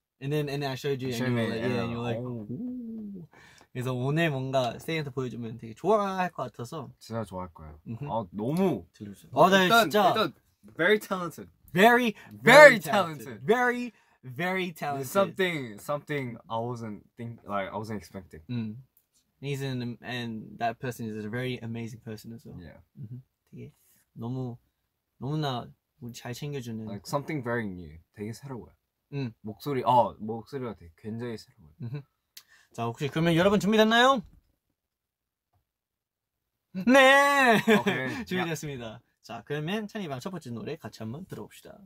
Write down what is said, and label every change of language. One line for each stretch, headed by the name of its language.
English: And then I showed you, and you were like, ooh.
Korean: 그래서 오늘 뭔가 세이한테 보여주면 되게 좋아할 것 같아서. 진짜 좋아할 거예요. 아, 너무. 들으셨어. 아, 나 진짜.
English: 일단, very talented. Very, very talented. Very, very talented. Something I wasn't expecting. He's and that person is a very amazing person as well. Yeah.
Korean: 되게 너무, 너무나 잘 챙겨주는.
English: Like something very new.
Korean: 되게 새로워요. 목소리 목소리가 되게 굉장히 새로워요. 자 혹시 그러면 여러분 준비됐나요? 네 준비됐습니다. 자 그러면 찬이방 첫 번째 노래 같이 한번 들어봅시다.